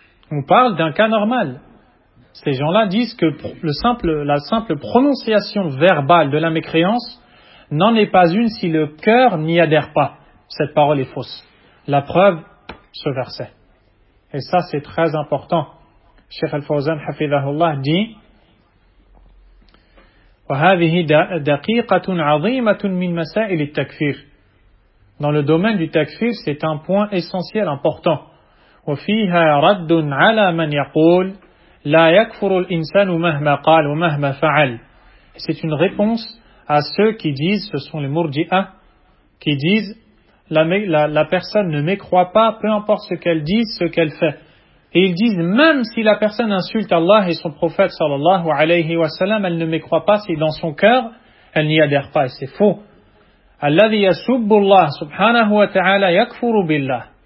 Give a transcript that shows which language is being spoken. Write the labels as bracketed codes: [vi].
[fr] On parle d'un cas normal. Ces gens-là disent que la simple prononciation verbale de la mécréance n'en est pas une si le cœur n'y adhère pas. Cette parole est fausse. La preuve, ce verset. Et ça, c'est très important. Cheikh Al-Fawzan, hafidhahullah, dit [ar] وَهَذِهِ دَقِيقَةٌ عَظِيمَةٌ مِنْ مَسَائِلِ التَّكْفِيرِ. [fr] Dans le domaine du takfir, c'est un point essentiel, important. [ar] وَفِيهَا رَدٌ عَلَى مَنْ يَقُولُ لَا يَكْفُرُ الْإِنسَانُ مَهْمَا قَالُ وَمَهْمَا فَعَلُ. [fr] C'est une réponse à ceux qui disent, ce sont les murji'ah, qui disent la personne ne mécroit pas, peu importe ce qu'elle dise, ce qu'elle fait. Et ils disent, même si la personne insulte Allah et son prophète, sallallahu alayhi wa sallam, elle ne mécroit pas si dans son cœur, elle n'y adhère pas. Et c'est faux. [ar] الذي يسب الله سبحانه وتعالى يكفر بالله.